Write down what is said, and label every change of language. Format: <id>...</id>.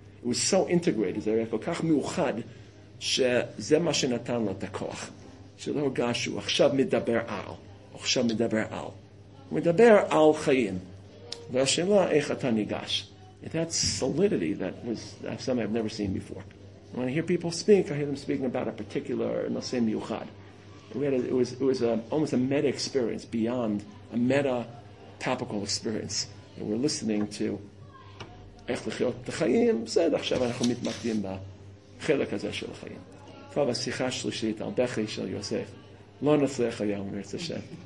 <en>It was so integrated,</en> <he>זה היה כל כך מאוחד, שזה מה שנתן לו את הכוח. שלא הרגש שהוא עכשיו מדבר על, עכשיו מדבר על. הוא מדבר על חיים. והשאלה איך אתה ניגש.</he> <en>That solidity that was something I've never seen before. When I hear people speak, I hear them speaking about a particular</en> <he>נושא מיוחד.</he> <en>It was almost a meta experience, beyond a meta topical experience. And we're listening to</en> <he>איך לחיות את החיים, בסדר, עכשיו אנחנו מתמקדים בחלק הזה של החיים. טוב, השיחה השלישית על בכי של יוסף, לא נצליח היום, אני רוצה שם.</he>